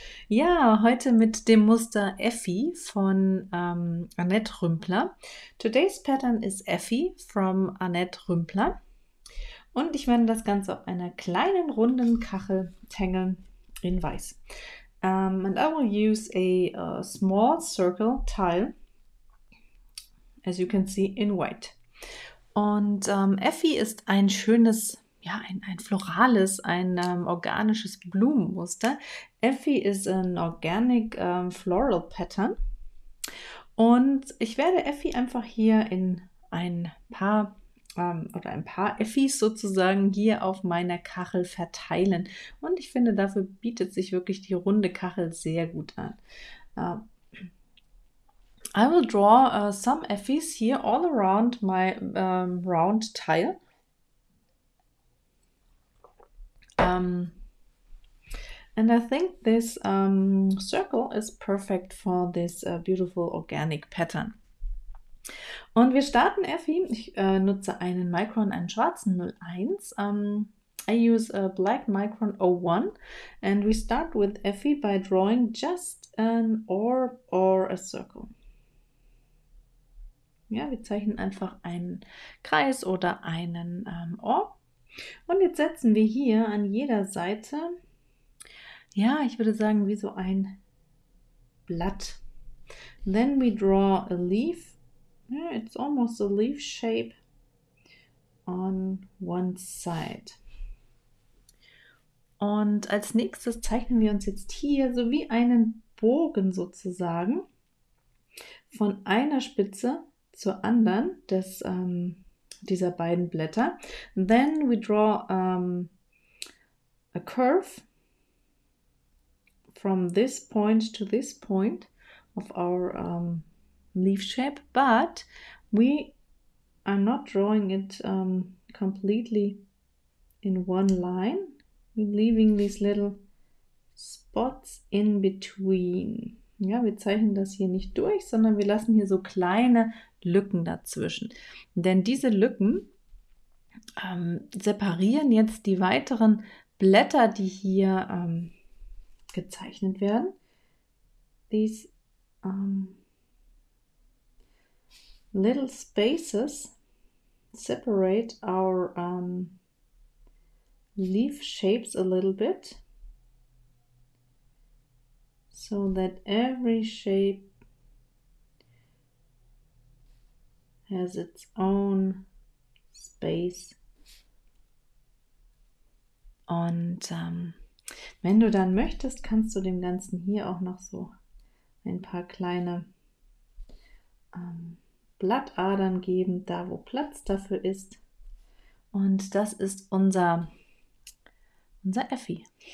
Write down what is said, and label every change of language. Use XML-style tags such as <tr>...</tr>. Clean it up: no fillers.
<de>Ja, heute mit dem Muster Effie von Annette Rümpler.</de> <en>Today's pattern is Effie from Annette Rümpler.</en> <de>Und ich werde das Ganze auf einer kleinen runden Kachel tangeln in Weiß.</de> <en>And I will use a small circle tile, as you can see, in white.</en> <de>Und Effie ist ein schönes, ja, ein florales, ein organisches Blumenmuster.</de> <en>Effie</en> <de>ist ein</de> <en>organic floral pattern.</en> <de>Und ich werde Effie einfach hier in ein paar Effies sozusagen hier auf meiner Kachel verteilen. Und ich finde, dafür bietet sich wirklich die runde Kachel sehr gut an.</de> <en>I will draw some effies here all around my round tile. And I think this circle is perfect for this beautiful organic pattern.</en> <de>Und wir starten, Effie. Ich nutze einen Micron, einen schwarzen 01.</de> <en>I use a black Micron 01. And we start with Effie by drawing just an orb or a circle.</en> <de>Ja, wir zeichnen einfach einen Kreis oder einen Orb. Und jetzt setzen wir hier an jeder Seite, ja, ich würde sagen, wie so ein Blatt.</de> <en>Then we draw a leaf. Yeah, it's almost a leaf shape on one side.</en> <de>Und als nächstes zeichnen wir uns jetzt hier so wie einen Bogen sozusagen von einer Spitze zur anderen des dieser beiden Blätter.</de> <en>Then we draw a curve from this point to this point of our leaf shape, but we are not drawing it completely in one line. We're leaving these little spots in between.</en> <de>Ja, wir zeichnen das hier nicht durch, sondern wir lassen hier so kleine Lücken dazwischen. Denn diese Lücken separieren jetzt die weiteren Blätter, die hier gezeichnet werden. These little spaces separate our leaf shapes a little bit, so that every shape has its own space. Und wenn du dann möchtest, kannst du dem Ganzen hier auch noch so ein paar kleine Blattadern geben, da wo Platz dafür ist. Und das ist unser Effie.</de>